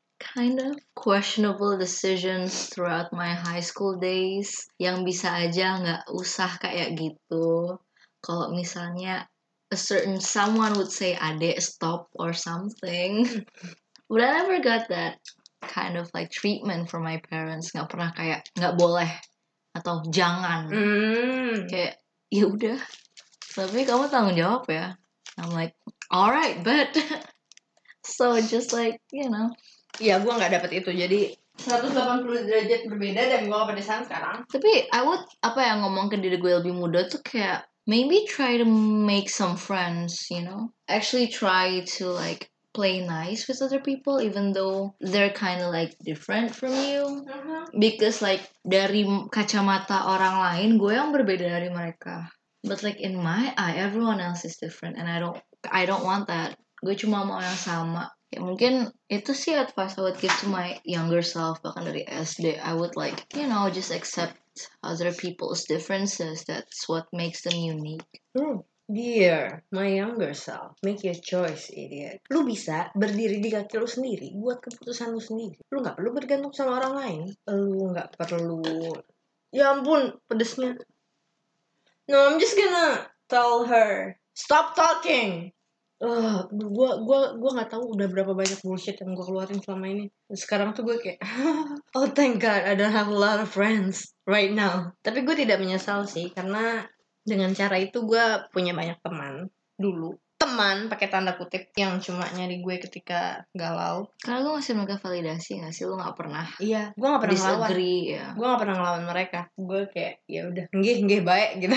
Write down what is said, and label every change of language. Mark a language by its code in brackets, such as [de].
[en] Kind of questionable decisions throughout my high school days. [id] Yang bisa aja gak usah kayak gitu. Kalau misalnya [en] a certain someone would say ade stop or something. But I never got that kind of like treatment from my parents. [id] Gak pernah kayak gak boleh atau jangan. Kayak yaudah. Tapi kamu tanggung jawab ya. [en] I'm like alright but. So just like you know. [id] Iya, gue gak dapet itu. Jadi, 180 derajat berbeda dan gue apa desain sekarang. Tapi, [en] I would, [id] apa yang ngomong ke diri gue lebih muda tuh kayak, [en] maybe try to make some friends, you know? Actually try to, like, play nice with other people, even though they're kind of, like, different from you. Because, like, [id] dari kacamata orang lain, gue yang berbeda dari mereka. [en] But, like, in my eye, everyone else is different. And I don't want that. [id] Gue cuma mau yang sama. Ya mungkin itu sih [en] advice I would give to my younger self, [id] bahkan dari SD. [en] I would like, you know, just accept other people's differences. That's what makes them unique. Dear, my younger self, make your choice, idiot. [id] Lu bisa berdiri di kaki lu sendiri, buat keputusan lu sendiri. Lu gak perlu bergantung sama orang lain. Lu gak perlu... Ya ampun, pedesnya. [en] No, I'm just gonna tell her, stop talking! [id] Gue gak tahu udah berapa banyak bullshit yang gue keluarin selama ini. Sekarang tuh gue kayak, [en] oh thank god I don't have a lot of friends right now. [id] Tapi gue tidak menyesal sih, karena dengan cara itu gue punya banyak teman dulu. Teman, pakai tanda kutip, yang cuma nyari gue ketika galau. Karena gue masih mereka validasi gak sih? Lo gak pernah. Iya, gue gak pernah disagree, ngelawan. Disagree, ya. Gue gak pernah ngelawan mereka. Gue kayak, ya udah nggih, baik, gitu.